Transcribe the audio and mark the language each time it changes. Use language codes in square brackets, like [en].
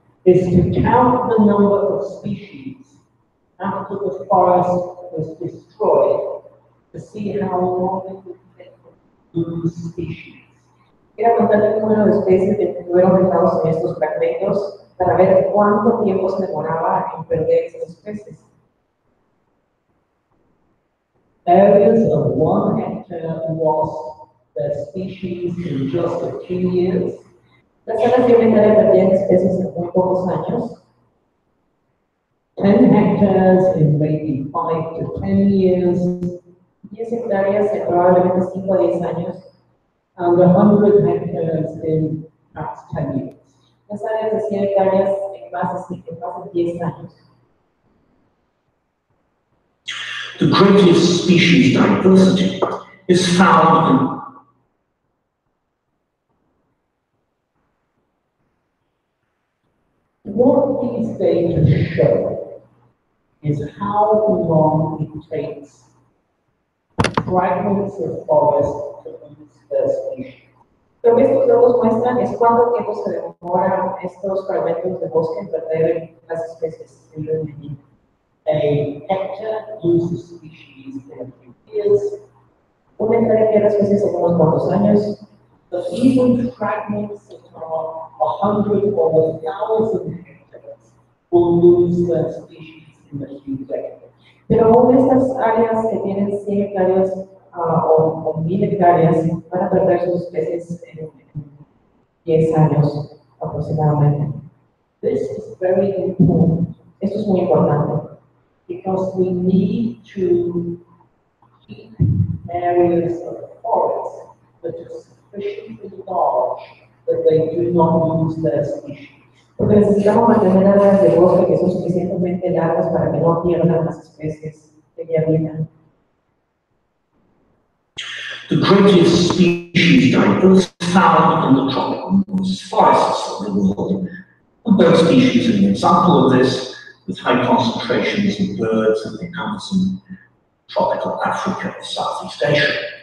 [en] is to count the number of species after the forest was destroyed to see how long it would take for new species. [es] Era contar el número de especies que fueron dejados en estos fragmentos para ver cuánto tiempo se demoraba en perder esas especies. [en] Areas of 1 hectare was their species in just a few years. [es] Las áreas de 1 hectare perdían especies en muy pocos años. [en] 10 hectares in maybe 5 to 10 years. [es] 10 hectáreas en probablemente 5 a 10 años. [en] And 100 hectares in perhaps 10 years. [es] Las áreas de 100 hectáreas en más de 10 años. [en] The greatest species diversity is found in what these data show is how long it takes fragments of forest to lose their species. [es] Lo que estos datos muestran es cuánto tiempo se demoran estos fragmentos de bosque en perder las especies en el medio. [en] A hectare loses species every year. [es] Un hectare pierde especies en unos cuantos años. [en] But even fragments of 100 or 1,000 hectares will lose their species in a few decades. [es] Pero aún estas áreas que tienen 100 hectáreas o 1,000 hectáreas van a perder sus especies en 10 años aproximadamente. [en] This is very important. [es] Esto es muy importante. [en] Because we need to keep areas of forest that are sufficiently large that they do not lose their species. [es] Porque necesitamos mantener áreas de bosque que son suficientemente largas para que no pierdan las especies que ya vienen. [en] The greatest species diversity found in the tropical forests of the world. And those species are an example of this. With high concentrations in birds in the Amazon, tropical Africa, and Southeast Asia.